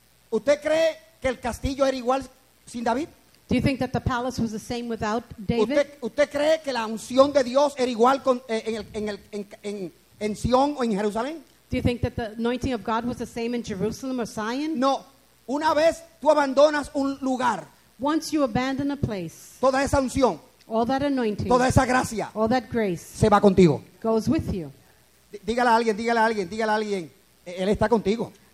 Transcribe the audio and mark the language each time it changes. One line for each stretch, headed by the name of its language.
Spanish: ¿Usted cree que el castillo era igual sin David?
English: Do you think that the palace was the same without David?
Spanish: ¿Usted cree que la unción de Dios era igual con en Sion o en Jerusalén?
English: Do you think that the anointing of God was the same in Jerusalem or Zion?
Spanish: No. Una vez tú abandonas un lugar,
English: once you abandon a place,
Spanish: toda esa unción,
English: all that anointing,
Spanish: toda esa gracia,
English: all that grace,
Spanish: se va contigo.
English: Goes with you.
Spanish: Dígale a alguien, él está contigo.